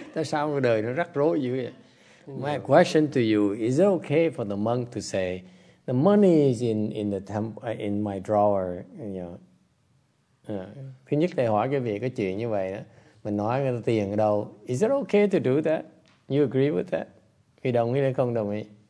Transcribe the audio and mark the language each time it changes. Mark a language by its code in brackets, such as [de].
[vi] Tại sao cuộc đời nó rắc rối dữ vậy? [en] My question to you, is it okay for the monk to say, the money is in my drawer, you know? [vi] Thứ nhất thầy hỏi cái việc cái chuyện như vậy đó, mình nói người ta tiền ở đâu. [en] Is it okay to do that? You agree with that? [vi] Thì đồng ý hay không đồng ý?